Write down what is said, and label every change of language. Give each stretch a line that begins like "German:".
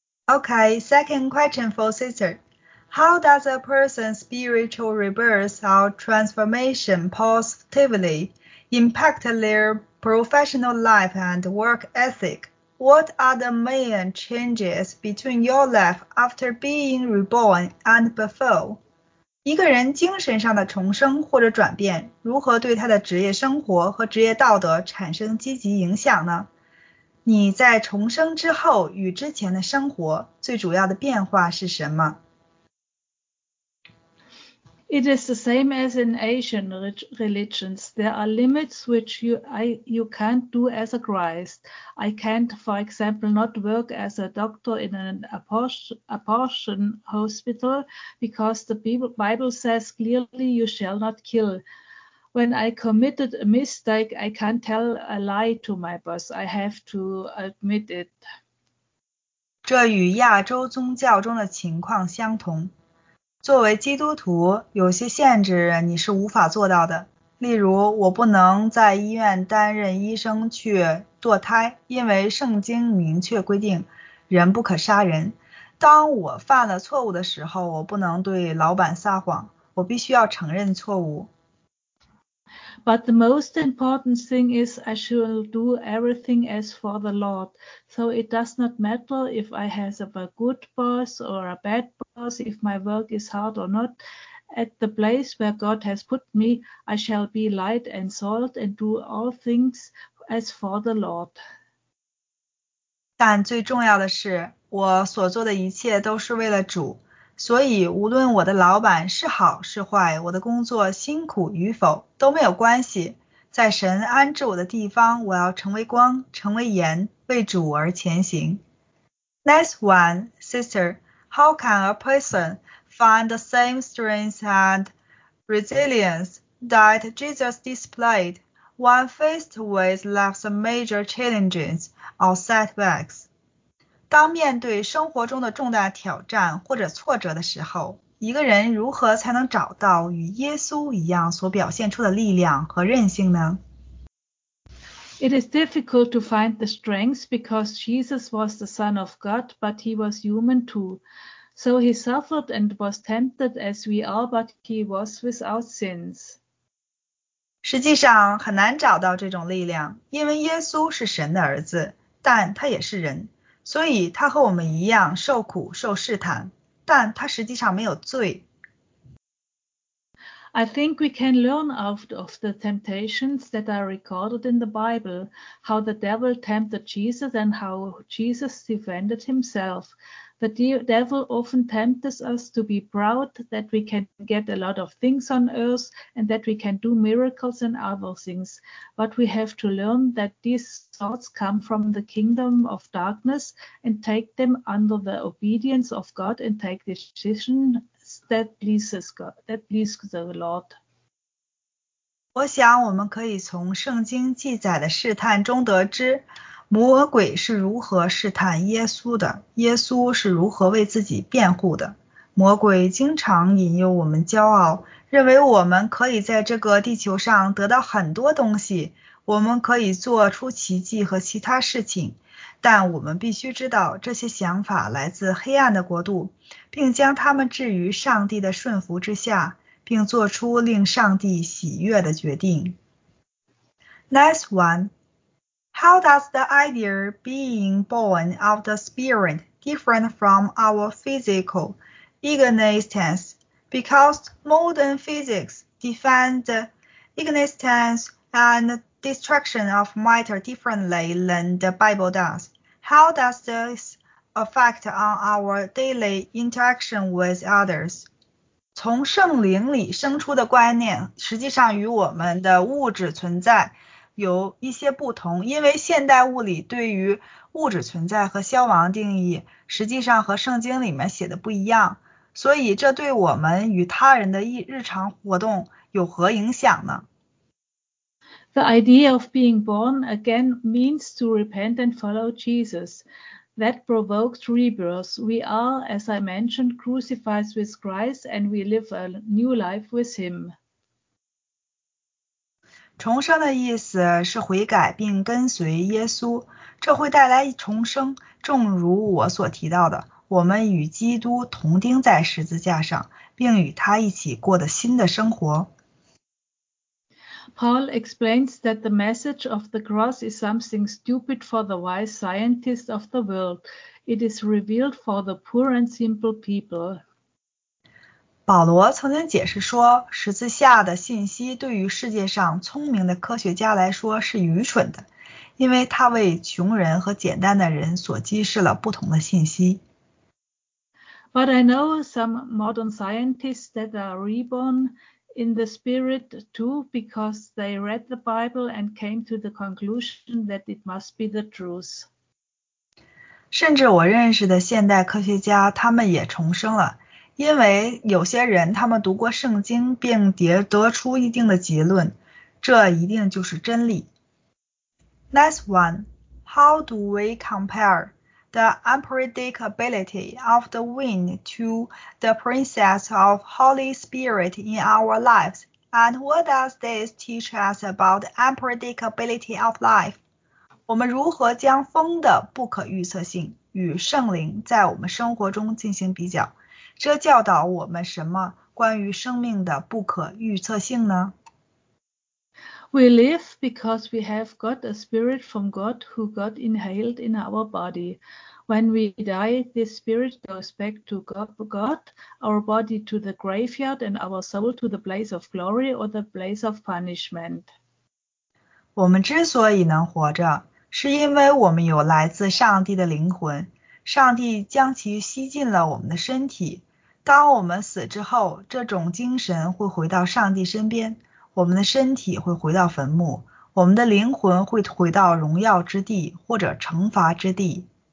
English: Okay, second question for sister. How does a person's spiritual rebirth or transformation positively impact their professional life and work ethic? What are the main changes between your life after being reborn and before?
Chinese: 一个人精神上的重生或者转变，如何对他的职业生活和职业道德产生积极影响呢？你在重生之后与之前的生活最主要的变化是什么？
English: It is the same as in Asian religions. There are limits which you can't do as a Christ. I can't, for example, not work as a doctor in an abortion hospital because the Bible says clearly you shall not kill. When I committed a mistake, I can't tell a lie to my boss. I have to admit it.
Chinese: 这与亚洲宗教中的情况相同。作为基督徒，有些限制你是无法做到的。例如，我不能在医院担任医生去堕胎，因为圣经明确规定人不可杀人。当我犯了错误的时候，我不能对老板撒谎，我必须要承认错误。
English: But the most important thing is I shall do everything as for the Lord. So it does not matter if I have a good boss or a bad boss, if my work is hard or not. At the place where God has put me, I shall be light and salt and do all things as for the Lord.
Chinese: 但最重要的是，我所做的一切都是为了主。所以无论我的老板是好是坏，我的工作辛苦与否都没有关系。在神安置我的地方，我要成为光，成为盐，为主而前行。
English: Next one, sister, how can a person find the same strength and resilience that Jesus displayed when faced with life's major challenges or setbacks.
Chinese: 当面对生活中的重大挑战或者挫折的时候，一个人如何才能找到与耶稣一样所表现出的力量和韧性呢？
English: It is difficult to find the strength because Jesus was the Son of God, but he was human too. So he suffered and was tempted as we are, but he was without sins.
Chinese: 实际上很难找到这种力量，因为耶稣是神的儿子，但他也是人，所以他和我们一样受苦受试探。但他实际上没有罪。
English: I think we can learn out of the temptations that are recorded in the Bible, how the devil tempted Jesus and how Jesus defended himself. The devil often tempts us to be proud that we can get a lot of things on earth and that we can do miracles and other things. But we have to learn that these thoughts come from the kingdom of darkness and take them under the obedience of God and take decisions that pleases the Lord.
Chinese: 我想我们可以从圣经记载的试探中得知魔鬼是如何试探耶稣的，耶稣是如何为自己辩护的。魔鬼经常引诱我们骄傲，认为我们可以在这个地球上得到很多东西，我们可以做出奇迹和其他事情，但我们必须知道这些想法来自黑暗的国度，并将它们置于上帝的顺服之下，并做出令上帝喜悦的决定。
English: Next one. How does the idea being born of the spirit different from our physical existence? Because modern physics defines existence and destruction of matter differently than the Bible does. How does this affect on our daily interaction with others?
Chinese: 从圣灵里生出的观念实际上与我们的物质存在有一些不同，因为现代物理对于物质存在和消亡定义实际上和圣经里面写的不一样，所以这对我们与他人的日常活动有何影响呢？
English: The idea of being born again means to repent and follow Jesus. That provokes rebirth. We are, as I mentioned, crucified with Christ and we live a new life with him.
Chinese: 重生的意思是悔改并跟随耶稣，这会带来重生。正如我所提到的，我们与基督同钉在十字架上，并与他一起过的新的生活。
English: Paul explains that the message of the cross is something stupid for the wise scientists of the world. It is revealed for the poor and simple people.
Chinese: 保罗曾经解释说，十字架的信息对于世界上聪明的科学家来说是愚蠢的，因为他为穷人和简单的人所揭示了不同的信息。
English: But I know some modern scientists that are reborn in the spirit too because they read the Bible and came to the conclusion that it must be the truth.
Chinese: 甚至我认识的现代科学家，他们也重生了。因为有些人他们读过圣经并得出一定的结论，这一定就是真理。
English: Next one, how do we compare the unpredictability of the wind to the presence of Holy Spirit in our lives? And what does this teach us about the unpredictability of life?
Chinese: 我们如何将风的不可预测性与圣灵在我们生活中进行比较？这教导我们什么关于生命的不可预测性呢？
English: We live because we have got a spirit from God who got inhaled in our body. When we die, this spirit goes back to God, our body to the graveyard and our soul to the place of glory or the place of punishment.
Chinese: 我们之所以能活着，是因为我们有来自上帝的灵魂。上帝将其吸进了我们的身体。当我们死之后，这种精神会回到上帝身边，我们的身体会回到坟墓，我们的灵魂会回到荣耀之地或者惩罚之地。